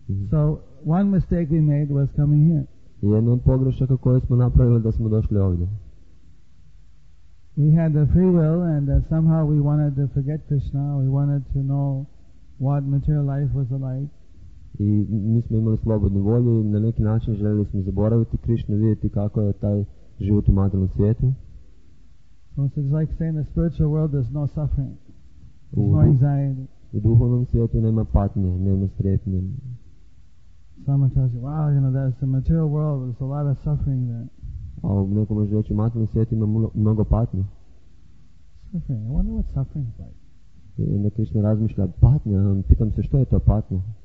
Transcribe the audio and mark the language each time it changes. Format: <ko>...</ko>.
<en>So, one mistake we made was coming here.</en> <hr>Jedna od pogrešaka koje smo napravili da smo došli ovdje.</hr> <en>We had the free will and somehow we wanted to forget Krishna, we wanted to know what material life was like.</en> <hr>I mi smo imali slobodnu volju i na neki način željeli smo zaboraviti Krišnu, vidjeti kako je taj život u materijalnom svijetu.</hr> <en>So it's like saying the spiritual world there's no suffering, there's no anxiety.</en> <hr>U duhovnom svijetu nema patnje, nema strepnje.</hr> <en>Someone tells you, wow, you know, that's the material world, there's a lot of suffering there.</en> <hr>A u nekom možda reći, materijalni svijet ima mnogo patnje.</hr> <en>Suffering, I wonder what suffering is like.</en> <hr>I onda Krišna razmišlja, patnja, pitam se što je to patnja.</hr>